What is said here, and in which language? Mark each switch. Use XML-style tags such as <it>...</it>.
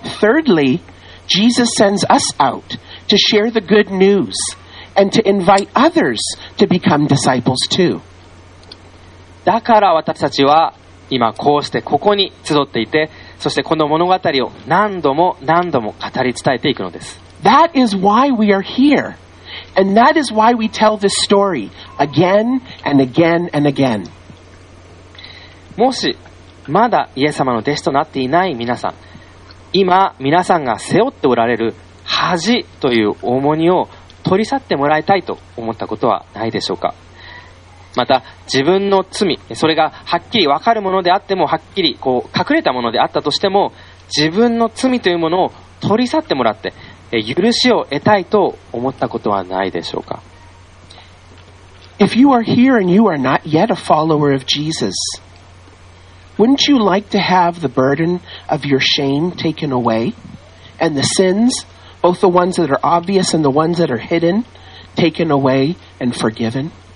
<en>Thirdly, Jesus sends us out to share the good news and to invite others to become disciples too.</en> <ja>だから私たちは今こうしてここに集っていて、そしてこの物語を何度も何度も語り伝えていくのです。</ja> <en>That is why we are here. And that is why we tell this story again and again and again.</en> <ja>もしまだイエス様の弟子となっていない皆さん、今皆さんが背負っておられる恥という重荷を取り去ってもらいたいと思ったことはないでしょうか。また自分の罪、それがはっきり分かるものであっても、はっきりこう隠れたものであったとしても、自分の罪というものを取り去ってもらって許しを得たいと思ったことはないでしょうか。</ja> <en>If you are here and you are not yet a follower of Jesus, wouldn't you like to have the burden of your shame taken away and the sins, both the ones that are obvious and the ones that are hidden, taken away and forgiven?</en>